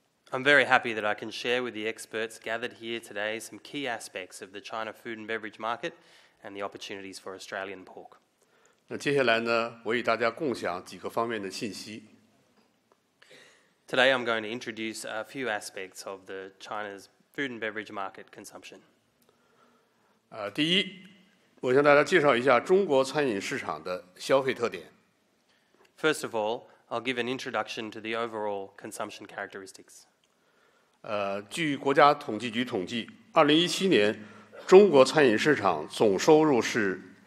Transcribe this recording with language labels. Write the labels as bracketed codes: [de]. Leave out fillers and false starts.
[en] I'm very happy that I can share with the experts gathered here today some key aspects of the China food and beverage market and the opportunities for Australian pork. [zh] 那接下来呢，我与大家共享几个方面的信息。 [en] Today I'm going to introduce a few aspects of the China's food and beverage market consumption. [zh] 第一，我向大家介绍一下中国餐饮市场的消费特点。 [en] First of all, I'll give an introduction to the overall consumption characteristics. [zh] 据国家统计局统计，2017年中国餐饮市场总收入是